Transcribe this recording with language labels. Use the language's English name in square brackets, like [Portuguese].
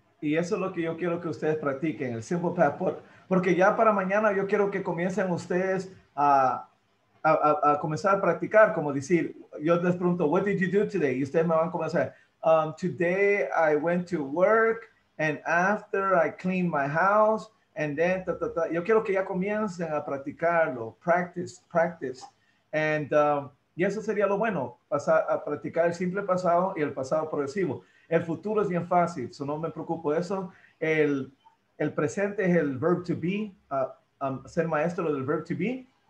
[Spanish] Y eso es lo que yo quiero que ustedes practiquen. El simple past. Porque ya para mañana yo quiero que comiencen ustedes a comenzar a practicar. Como decir, yo les pregunto, [English] what did you do today? [Spanish] Y ustedes me van a comenzar. [English] Today I went to work and after I cleaned my house and then ta, ta, ta. [Spanish] Yo quiero que ya comiencen a practicarlo, practice. And y eso sería lo bueno, pasar a practicar el simple pasado y el pasado progresivo. El futuro es bien fácil, so no me preocupo de eso. El presente es el verb to be, ser maestro del verb to be.